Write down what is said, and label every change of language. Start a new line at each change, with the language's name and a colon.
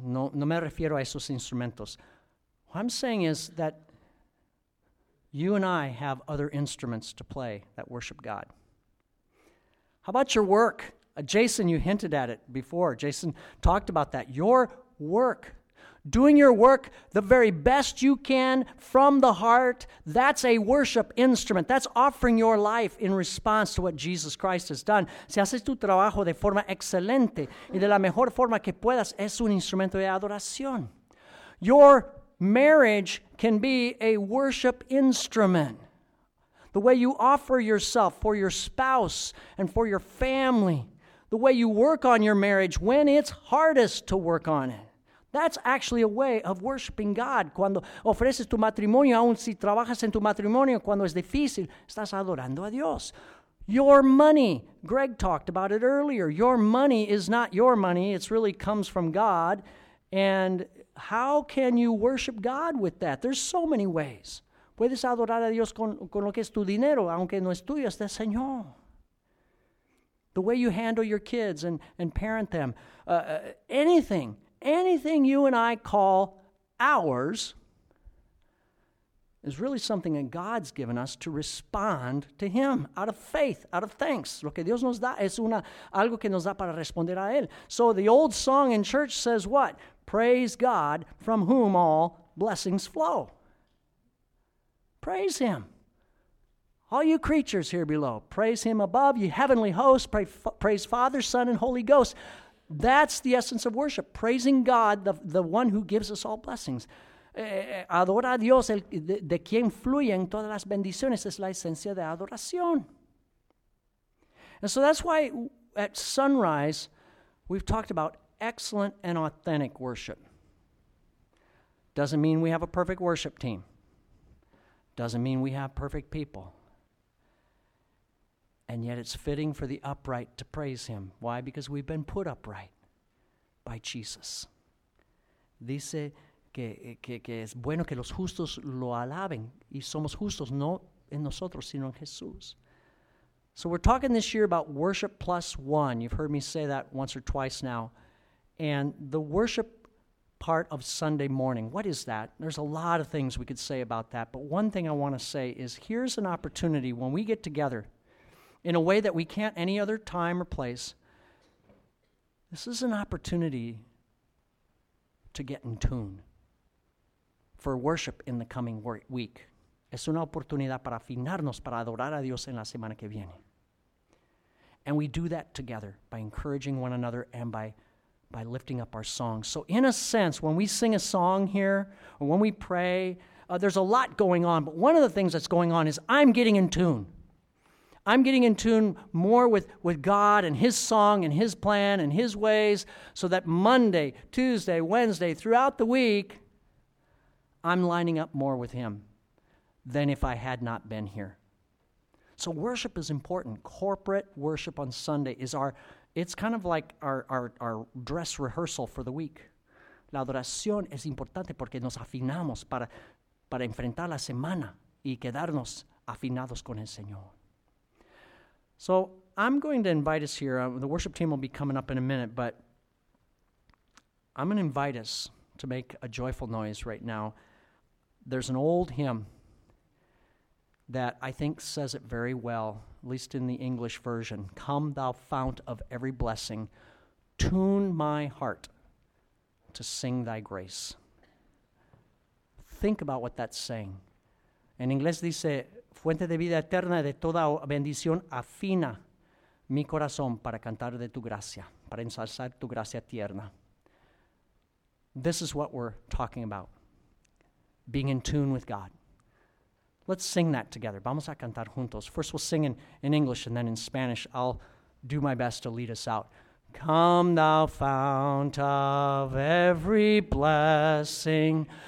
Spanish: No me refiero a esos instrumentos.
English: What I'm saying is that you and I have other instruments to play that worship God. How about your work? Jason, you hinted at it before. Jason talked about that. Your work, doing your work the very best you can from the heart, that's a worship instrument. That's offering your life in response to what Jesus Christ has done.
Spanish: Si haces tu trabajo de forma excelente y de la mejor forma que puedas, es un instrumento de adoración.
English: Your marriage can be a worship instrument. The way you offer yourself for your spouse and for your family, the way you work on your marriage when it's hardest to work on it, that's actually a way of worshiping God.
Spanish: Cuando ofreces tu matrimonio, aun si trabajas en tu matrimonio, cuando es difícil, estás adorando a Dios.
English: Your money, Greg talked about it earlier. Your money is not your money. It really comes from God. And how can you worship God with that? There's so many ways.
Spanish: Puedes adorar a Dios con lo que es tu dinero, aunque no es tuyo, es del Señor.
English: The way you handle your kids and parent them. Anything you and I call ours is really something that God's given us to respond to Him out of faith, out of thanks.
Spanish: Lo que Dios nos da es algo que nos da para responder a Él.
English: So the old song in church says what? Praise God, from whom all blessings flow. Praise Him. All you creatures here below, praise Him above, you heavenly hosts, praise Father, Son, and Holy Ghost. That's the essence of worship, praising God, the one who gives us all blessings.
Spanish: Adora a Dios, de quien fluyen todas las bendiciones, es la esencia de adoración.
English: And so that's why at sunrise, we've talked about excellent and authentic worship. Doesn't mean we have a perfect worship team. Doesn't mean we have perfect people. And yet it's fitting for the upright to praise Him. Why? Because we've been put upright by Jesus.
Spanish: Dice que es bueno que los justos lo alaben. Y somos justos no en nosotros, sino en Jesús.
English: So we're talking this year about worship plus one. You've heard me say that once or twice now. And the worship part of Sunday morning, what is that? There's a lot of things we could say about that, but one thing I want to say is here's an opportunity when we get together in a way that we can't any other time or place. This is an opportunity to get in tune for worship in the coming week.
Spanish: Es una oportunidad para afinarnos, para adorar a Dios en la semana que viene.
English: And we do that together by encouraging one another and by lifting up our songs. So in a sense, when we sing a song here, or when we pray, there's a lot going on. But one of the things that's going on is I'm getting in tune. I'm getting in tune more with God and His song and His plan and His ways, so that Monday, Tuesday, Wednesday, throughout the week, I'm lining up more with Him than if I had not been here. So worship is important. Corporate worship on Sunday is it's kind of like our dress rehearsal for the week.
Spanish: La adoración es importante porque nos afinamos para enfrentar la semana y quedarnos afinados con el Señor.
English: So I'm going to invite us here. The worship team will be coming up in a minute, but I'm going to invite us to make a joyful noise right now. There's an old hymn that I think says it very well, at least in the English version. Come, thou fount of every blessing, tune my heart to sing thy grace. Think about what that's saying.
Spanish: En inglés dice, fuente de vida eterna de toda bendición, afina mi corazón para cantar de tu gracia, para ensalzar tu gracia tierna.
English: This is what we're talking about, being in tune with God. Let's sing that together.
Spanish: Vamos a cantar juntos.
English: First we'll sing in English and then in Spanish. I'll do my best to lead us out. Come thou fount of every blessing.